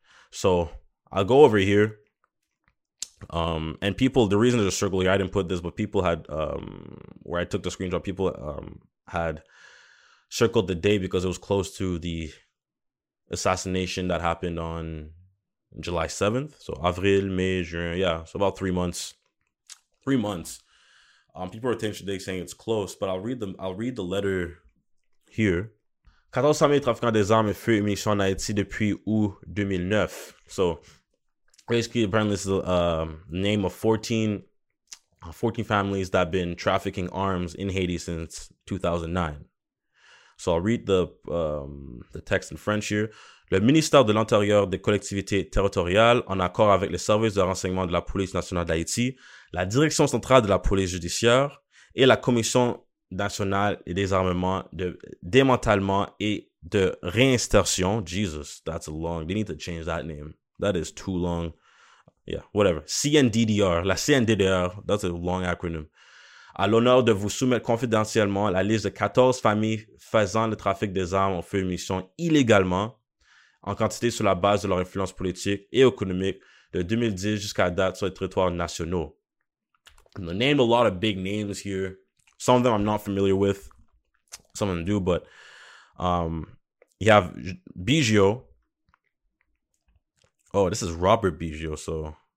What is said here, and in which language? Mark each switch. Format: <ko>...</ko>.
<en>So I'll go over here. And people, the reason there's a circle here, I didn't put this, but people had, where I took the screenshot, people had circled the day because it was close to the assassination that happened on July 7th. So Avril, May, June, yeah, so about 3 months. 3 months. People are attention today saying it's close, but I'll read the letter here.</en> <fr>1400 trafiquants des armes et feu et munitions en Haïti depuis août 2009.</fr> <en>So basically, apparently, this is the name of 14 families that have been trafficking arms in Haiti since 2009. So I'll read the text in French here.</en> <fr>Le ministère de l'Intérieur des collectivités territoriales, en accord avec les services de renseignement de la police nationale d'Haïti, la direction centrale de la police judiciaire et la commission nationale et désarmement, de démantèlement et de réinsertion.</fr> <en>Jesus, that's long. They need to change that name. That is too long. Yeah, whatever. CNDDR, la CNDDR, that's a long acronym.</en> <fr>À l'honneur de vous soumettre confidentiellement la liste de 14 familles faisant le trafic des armes au feu et munitions illégalement en quantité sur la base de leur influence politique et économique de 2010 jusqu'à date sur les territoires nationaux.</fr> <en>And they named a lot of big names here. Some of them I'm not familiar with. Some of them do, but you have Biggio. Oh, this is Robert Biggio, so.</en>